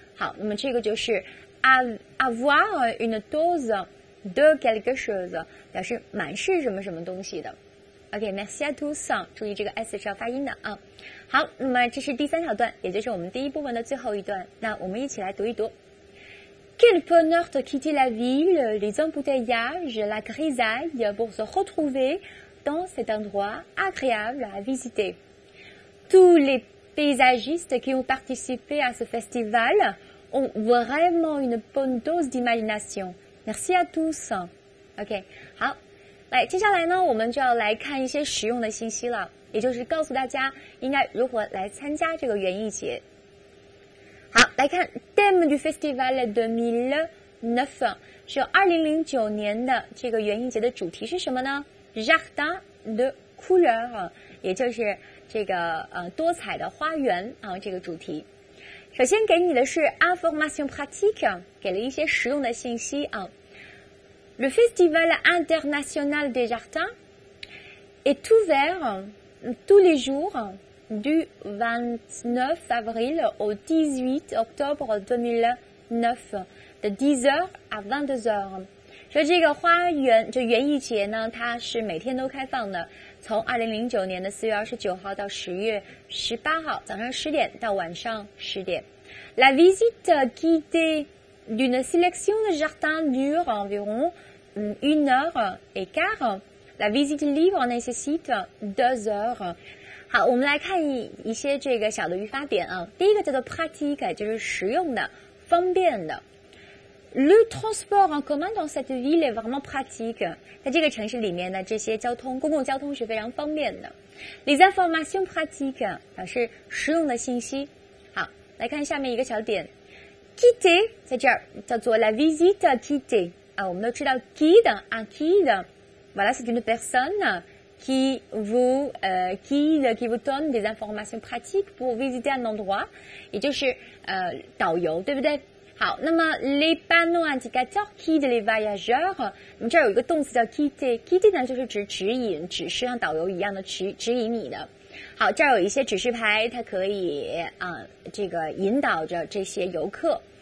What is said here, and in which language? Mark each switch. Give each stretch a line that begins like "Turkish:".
Chinese: 好，那么这个就是
French: avoir une dose de quelque chose
Chinese: 表示满是什么什么东西的。 OK，
French: merci à tous，
Chinese: 注意这个 S 是要发音的好，那么这是第三小段，也就是我们第一部分的最后一段，那我们一起来读一读。
French: Quel bonheur de quitter la ville, les embouteillages, la grisaille pour se retrouver dans cet endroit agréable à visiter. Tous les paysagistes qui ont participé à ce festival ont vraiment une bonne dose d'imagination. Merci à tous.
Chinese: OK, 好，来，接下来呢，我们就要来看一些实用的信息了，也就是告诉大家应该如何来参加这个园艺节。来看 theme 的 festival 2009，就2009年的这个园艺节的主题是什么呢 ？
French: Jardin de couleur，
Chinese: 也就是这个多彩的花园啊，这个主题。首先给你的是
French: information pratique，
Chinese: 给了一些实用的信息啊。
French: Le festival international des jardins est ouvert tous les jours du 29 avril au 18 octobre 2009 de 10h à 22h.
Chinese: 说这个花园就园艺节呢，它是每天都开放的，从2009年的4月29号到10月18号早上10点到晚上10点。
French: La visite guidée d'une sélection de jardins dure environ une heure et quart. La visite libre nécessite 2h.
Chinese: 好，我们来看一些这个小的语法点啊。第一个叫做 pratique， 就是实用的，方便的。
French: Le transport en commun dans cette ville est vraiment pratique.
Chinese: 在这个城市里面呢，这些交通，公共交通是非常方便的。
French: Les informations pratiques
Chinese: 表示实用的信息。好，来看下面一个小点。
French: Guide
Chinese: 在这儿叫做
French: la visite guide 啊，
Chinese: 我们都知道
French: guide 啊 ，guide， voilà c'est une personne qui vous guide qui vous donne des informations pratiques pour visiter un endroit，
Chinese: 也就是导游，对不对？好，那么
French: les panneaux indicateurs guide les voyageurs，
Chinese: 我们这儿有一个动词叫 guide 呢，就是指引，指示像导游一样的指引你的。好，这儿有一些指示牌，它可以这个引导着这些游客。